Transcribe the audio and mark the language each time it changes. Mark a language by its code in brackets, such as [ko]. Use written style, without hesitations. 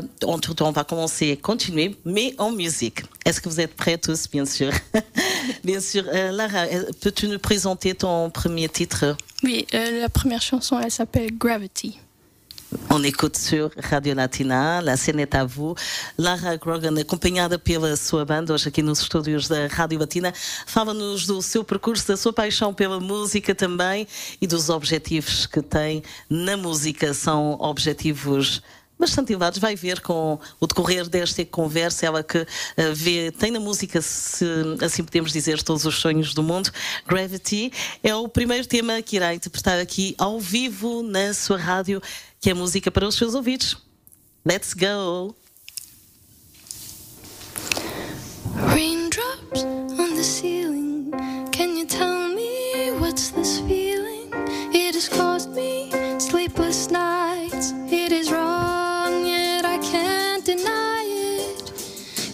[fr] On va commencer et continuer, mais en musique. Est-ce que vous êtes prêts tous, bien sûr? Bien sûr. Lara, peux-tu nous présenter ton premier titre? Oui, la première chanson, elle s'appelle Gravity. On écoute sur Radio Latina, la scène est à vous. [pt] Lara Grogan, acompanhada pela sua banda, hoje aqui nos estúdios da Rádio Latina. Fala-nos do seu percurso, da sua paixão pela música também e dos objetivos que tem na música. São objetivos bastante elevados. Vai ver com o decorrer desta conversa, ela que vê, tem na música, se assim podemos dizer, todos os sonhos do mundo. Gravity é o primeiro tema que irá interpretar aqui ao vivo na sua rádio, que é música para os seus ouvidos. [en] Let's go! Raindrops on the ceiling, can you tell me what's this feeling? It has caused me sleepless nights. It is wrong, yet I can't deny it.